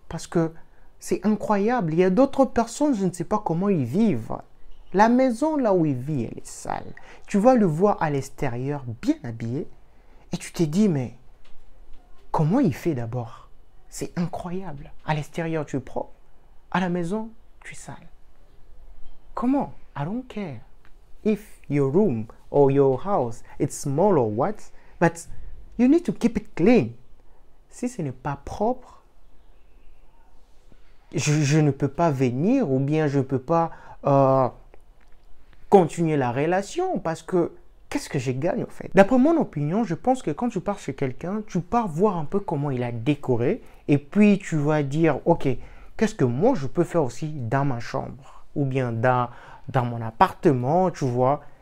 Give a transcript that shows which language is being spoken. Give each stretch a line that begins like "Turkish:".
French: Parce que c'est incroyable. Il y a d'autres personnes, je ne sais pas comment ils vivent. La maison là où ils vivent, elle est sale. Tu vas le voir à l'extérieur, bien habillé. Et tu t'es dit, mais comment il fait d'abord? C'est incroyable. À l'extérieur, tu es propre. À la maison, tu es sale. Comment?
English: I don't care if your room or your house is small or what, but you need to keep it clean.
French: Si ce n'est pas propre, je ne peux pas venir ou bien je ne peux pas continuer la relation parce que qu'est-ce que je gagne en fait? D'après mon opinion, je pense que quand tu pars chez quelqu'un, tu pars voir un peu comment il a décoré et puis tu vas dire ok, qu'est-ce que moi je peux faire aussi dans ma chambre ou bien dans mon appartement, tu vois.